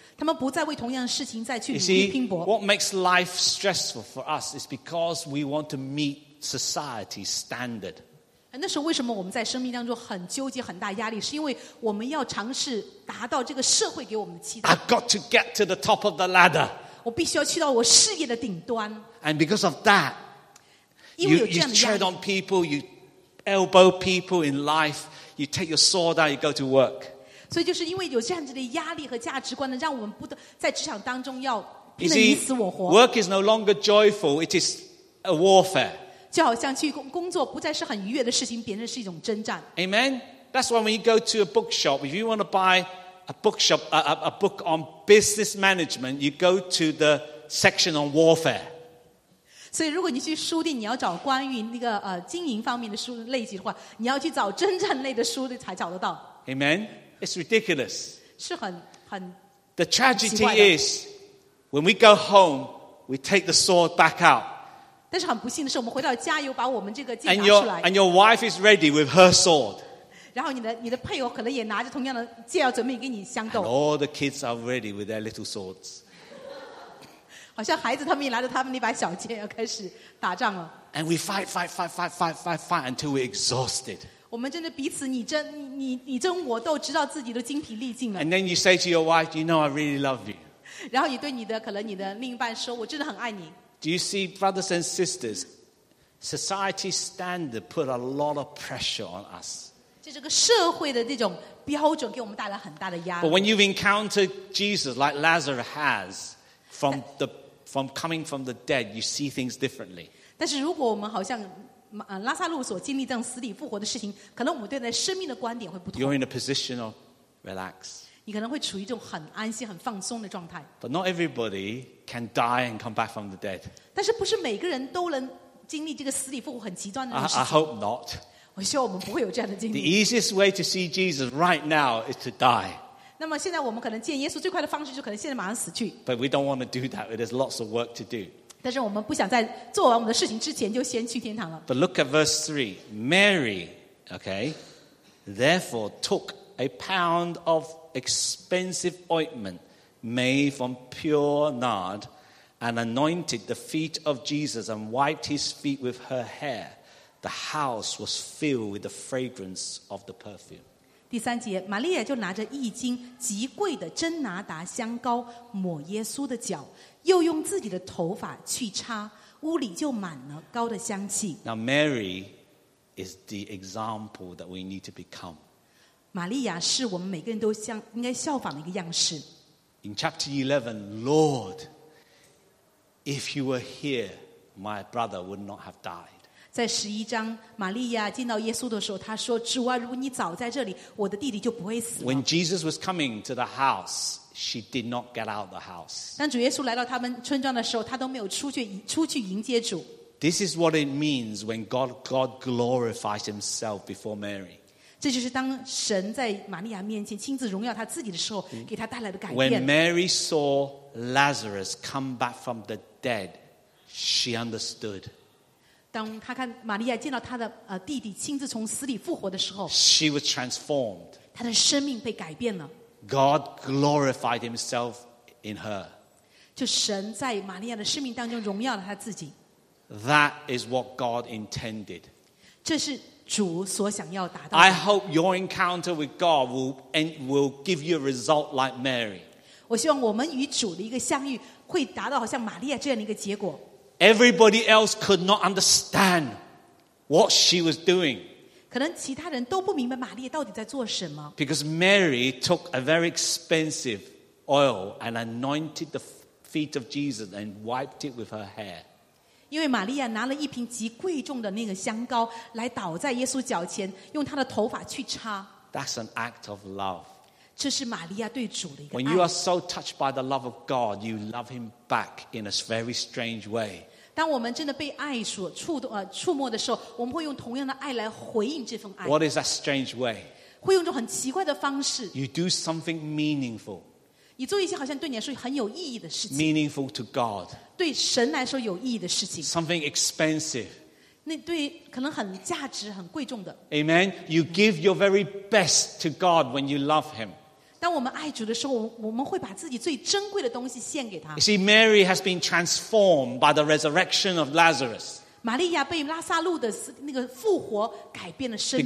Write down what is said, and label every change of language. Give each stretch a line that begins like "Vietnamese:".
Chinese: 他们不再为同样的事情再去努力拼搏。
English: You see, what makes life stressful for us is because we want to meet society's standard.
Chinese: 那时候为什么我们在生命当中很纠结、很大压力，是因为我们要尝试达到这个社会给我们的期待。
English: I've got to get to the top of the ladder.
Chinese: 我必须要去到我事业的顶端。
English: And because of that,
Chinese: 因为有这样的压力，
English: you tread on people, you elbow people in life. You take your sword out, you go to work.
Chinese: 所以就是因为有这样子的压力和价值观呢，让我们不得在职场当中要拼得你死我活。
English: Work is no longer joyful, it is a warfare.
Chinese: 就好像去工作不再是很愉悦的事情，变成是一种征战。
English: Amen? That's why when you go to a bookshop, if you want to buy a book on business management, you go to the section on warfare.
Chinese: 所以如果你去书店你要找关于那个经营方面的书类型的话，你要去找真正类的书才找得到。
English: Amen? It's ridiculous.
Chinese: 是很很
English: The tragedy is when we go home we take the sword back out.
Chinese: 但是很不幸的是我们回到家又把我们这个剑拿出来。
English: And your wife is ready with her sword.
Chinese: 然后你的配偶可能也拿着同样的剑要准备给你相斗。
English: And all the kids are ready with their little swords.
Chinese: 好像孩子他们也拿着他们那把小剑要开始打仗了。
English: And we fight, fight, fight, fight, fight, fight, fight until we're exhausted.
Chinese: 我们真的彼此你争我斗，直到自己都精疲力尽了。
English: And then you say to your wife, you know I really love you.
Chinese: 然后你对你的可能你的另一半说，我真的很爱你。
English: Do you see, brothers and sisters, society standard put a lot of pressure on us.
Chinese: 就这个社会的这种标准给我们带来很大的压力。
English: But when you've encountered Jesus like Lazarus has,From coming from the dead, you see things differently.
Chinese: 但是如果我们好像拉撒路所经历这样死里复活的事情，可能我们对待生命的观点会不同。
English: You're in a position of relax.
Chinese: 你可能会处于一种很安心、很放松的状态。
English: But not everybody can die and come back from the dead.
Chinese: 但是不是每个人都能经历这个死里复活很极端的事情。
English: I hope not.
Chinese: 我希望我们不会有这样的经历。
English: The easiest way to see Jesus right now is to die.
Chinese: 那么现在我们可能见耶稣最快的方式就可能现在马上死去。
English: But we don't want to do that. There's lots of work to do.
Chinese: 但是我们不想在做完我们的事情之前就先去天堂了。
English: But look at verse 3. Mary, okay, therefore took a pound of expensive ointment made from pure nard and anointed the feet of Jesus and wiped his feet with her hair. The house was filled with the fragrance of the perfume.
Chinese: 第三节，玛利亚就拿着一斤极贵的真拿达香膏抹耶稣的脚，又用自己的头发去擦，屋里就满了膏的香气。
English: Now Mary is the example that we need to become.
Chinese: 玛利亚是我们每个人都应该效仿的一个样式。
English: In chapter 11, Lord, if you were here, my brother would not have died.
Chinese: 在十一章，玛利亚见到耶稣的时候，她说：“主啊，如果你早在这里，我的弟弟就不会死了。”
English: When Jesus was coming to the house, she did not get out of the house.
Chinese: 当主耶稣来到他们村庄的时候，她都没有出去迎接主。
English: This is what it means when God glorifies Himself before Mary.
Chinese: 这就是当神在玛利亚面前亲自荣耀他自己的时候给他带来的改变。
English: When Mary saw Lazarus come back from the dead, she understood.
Chinese: 当他看玛利亚见到他的弟弟亲自从死里复活的时候，
English: she was transformed.
Chinese: 他的生命被改变了。
English: God glorified himself in her.
Chinese: 就神在玛利亚的生命当中荣耀了他自己。
English: That is what God intended.
Chinese: 这是主所想要达到的。
English: I hope your encounter with God will give you a result like Mary.
Chinese: 我希望我们与主的一个相遇会达到好像玛利亚这样的一个结果。
English: Everybody else could not understand what she was doing.
Chinese: 可能其他人都不明白玛利亚到底在做什么。
English: Because Mary took a very expensive oil and anointed the feet of Jesus and wiped it with her hair.
Chinese: 因为玛利亚拿了一瓶极贵重的那个香膏来倒在耶稣脚前，用她的头发去擦。
English: That's an act of love.
Chinese: 这是玛利亚对主的一个爱。
English: When you are so touched by the love of God, you love him back in a very strange way.
Chinese: 当我们真的被爱所触摸的时候，我们会用同样的爱来回应这份爱。
English: What is that strange way?
Chinese: 会用一种很奇怪的方式。
English: You do something meaningful.
Chinese: 你做一些好像对你来说很有意义的事情
English: ，meaningful to God，
Chinese: 对神来说有意义的事情
English: ，something expensive，
Chinese: 那对可能很价值、很贵重的。
English: Amen. You give your very best to God when you love Him.
Chinese: 当我们爱主的时候，我们会把自己最珍贵的东西献给他。
English: You see, Mary has been transformed by the resurrection of Lazarus.
Chinese: 玛利亚被拉撒路的那个复活改变了生命。